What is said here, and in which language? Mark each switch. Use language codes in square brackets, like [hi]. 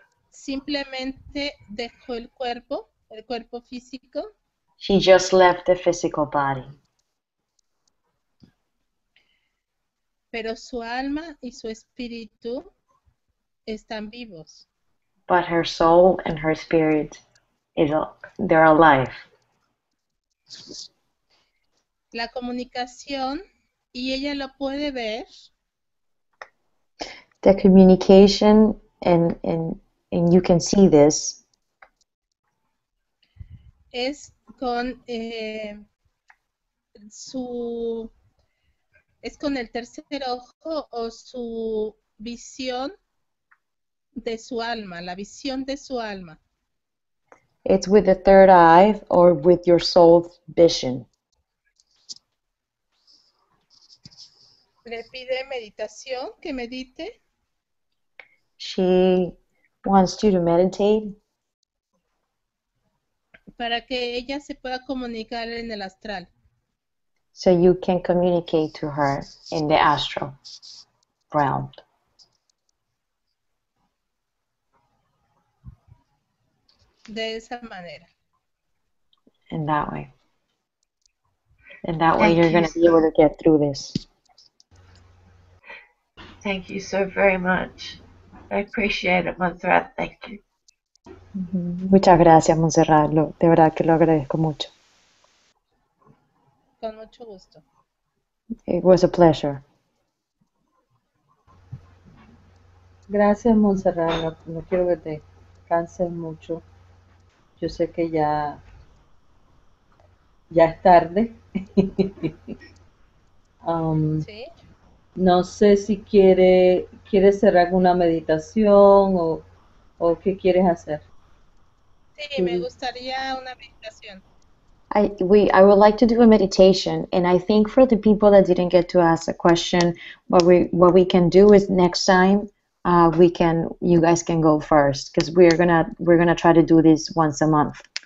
[es] Simplemente dejó el cuerpo físico. [en] She just left the physical body. [es] Pero su alma y su espíritu están vivos. [en] But her soul and her spirit, they're alive. [es] La comunicación, y ella lo puede ver. [en] The communication and you can see this. [es] Es con su es con el tercer ojo o su visión de su alma, la visión de su alma. [en] It's with the third eye or with your soul's vision. [es] Le pide meditación, que medite. [en] She wants you to meditate. [es] Para que ella se pueda comunicar en el astral. [en] So you can communicate to her in the astral realm. [es] De esa manera. [en] In that way. In that way you're going to be able to get through this. Thank you so very much. I appreciate it, Montserrat. Thank you. [es] Muchas gracias, Montserrat. De verdad que lo agradezco mucho. Con mucho gusto. [en] It was a pleasure. [es] Gracias, Montserrat. No quiero que te canses mucho. Yo sé que ya es tarde. ¿Sí? No sé si quiere hacer alguna meditación o qué quieres hacer. Sí, me gustaría una meditación. [en] I would like to do a meditation, and I think for the people that didn't get to ask a question, what we can do is next time you guys can go first, because we're gonna try to do this once a month.